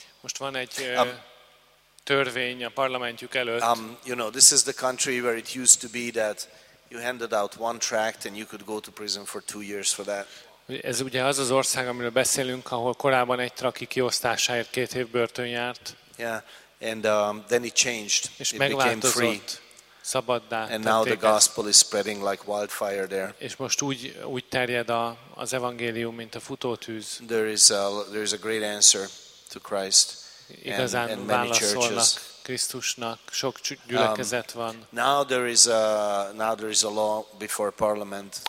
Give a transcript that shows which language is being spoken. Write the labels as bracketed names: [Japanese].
[Hungarian] Most van egy törvény a parlamentjük előtt. [English] You know, this is the country where it used to be that you handed out one tract and you could go to prison for 2 years for that. [Hungarian] Ez ugye az az ország, amiről beszélünk, ahol korábban egy traki kiosztásáért 2 év börtön járt. [English] Yeah, and then it changed. [Hungarian] És megváltozott. Szabaddá. [English] And now the gospel is spreading like wildfire there. [Hungarian] És most úgy terjed az evangélium, mint a futótűz. [English] There is a great answer to Christ. [Hungarian] Igazán válaszolnak Krisztusnak, sok gyülekezet van. [English] Now there is a law before parliament.